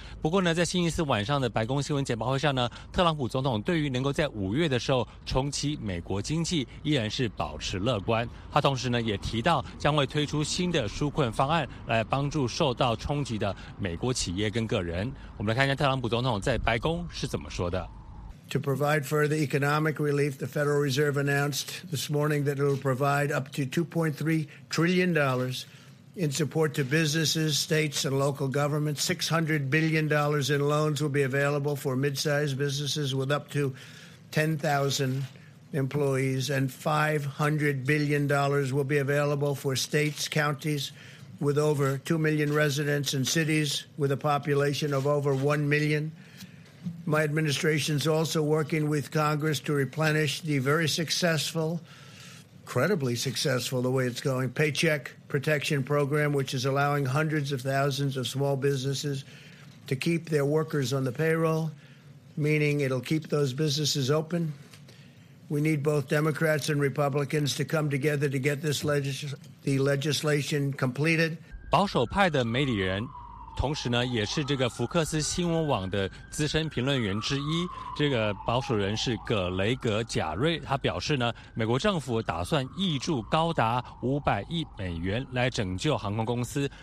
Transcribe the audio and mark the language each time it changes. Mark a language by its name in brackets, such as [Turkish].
[Chinese] 不过呢，在星期四晚上的白宫新闻简报会上呢，特朗普总统对于能够在五月的时候重启美国经济依然是保持乐观。他同时呢也提到将会推出新的纾困方案来帮助受到冲击的美国企业跟个人。我们来看一下特朗普总统在白宫是怎么说的。 [English] To provide further economic relief, the Federal Reserve announced this morning that it will provide up to $2.3 trillion in support to businesses, states, and local governments. $600 billion in loans will be available for mid-sized businesses with up to 10,000 employees, and $500 billion will be available for states, counties. With over 2 million residents and cities with a population of over 1 million. My administration's also working with Congress to replenish the very successful, incredibly successful, the way it's going, Paycheck Protection Program, which is allowing hundreds of thousands of small businesses to keep their workers on the payroll, meaning it'll keep those businesses open. We need both Democrats and Republicans to come together to get this legislation completed. [Chinese] 保守派的媒体人，同时呢也是这个福克斯新闻网的资深评论员之一，这个保守人士葛雷格·贾瑞，他表示呢，美国政府打算挹注高达500亿美元来拯救航空公司，